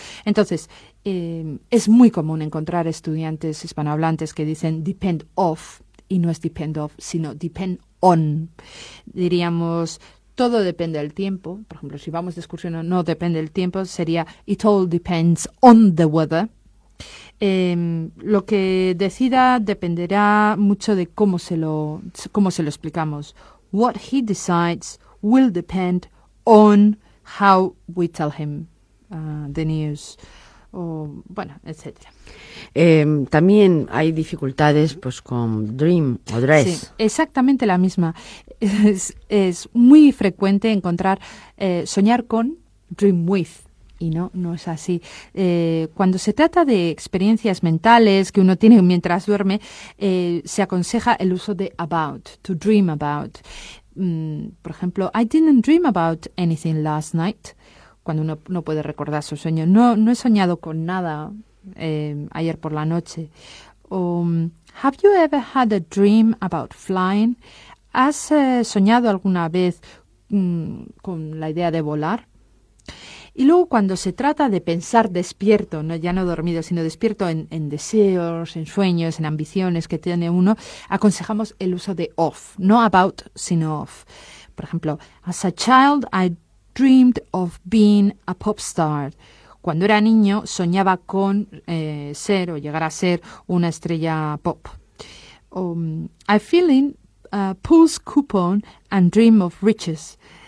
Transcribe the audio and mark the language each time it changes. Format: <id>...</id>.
<es>Entonces, es muy común encontrar estudiantes hispanohablantes que dicen depend of, y no es depend of, sino depend on. Diríamos, todo depende del tiempo. Por ejemplo, si vamos de excursión o no depende del tiempo, sería</es> <en>it all depends on the weather.</en> <es>Lo que decida dependerá mucho de cómo se lo explicamos.</es> <en>What he decides will depend on how we tell him the news.</en> <es>O, bueno, etc. También hay dificultades pues con dream o dress. Sí, exactamente la misma. Es muy frecuente encontrar soñar con,</es> <en>dream with,</en> <es>y no es así. Cuando se trata de experiencias mentales que uno tiene mientras duerme, se aconseja el uso de about,</es> <en>to dream about.</en> <es>Por ejemplo,</es> <en>I didn't dream about anything last night.</en> <es>Cuando uno no puede recordar su sueño, no he soñado con nada ayer por la noche.</es> <en>Have you ever had a dream about flying?</en> <es>¿Has soñado alguna vez con la idea de volar? Y luego, cuando se trata de pensar despierto, ¿no? Ya no dormido, sino despierto en deseos, en sueños, en ambiciones que tiene uno, aconsejamos el uso de of, no about, sino of. Por ejemplo,</es> <en>as a child, I dreamed of being a pop star.</en> <es>cuando era niño soñaba con ser o llegar a ser una estrella pop.</es> <en>I feel in a pulse coupon and dream of riches.</en>